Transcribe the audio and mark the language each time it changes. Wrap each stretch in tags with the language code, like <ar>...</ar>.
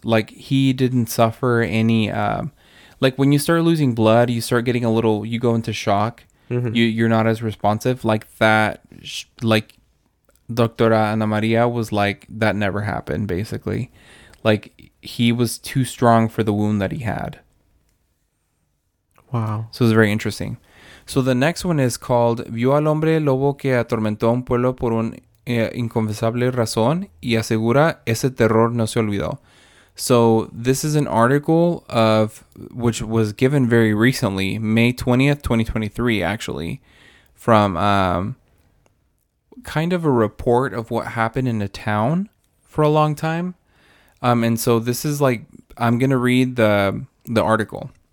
<en>Like, he didn't suffer any, like, when you start losing blood, you start getting a little, you go into shock. Mm-hmm. You're not as responsive. Like, that, like, Doctora Ana Maria was like, that never happened, basically. Like, he was too strong for the wound that he had. Wow. So, it's very interesting. So the next one is called</en> <es>Vio al hombre lobo que atormentó a un pueblo por una inconfesable razón y asegura ese terror no se olvidó.</es> <en>So this is an article of which was given very recently, May 20th, 2023, actually, from kind of a report of what happened in a town for a long time. And so this is like, I'm going to read the article.</en>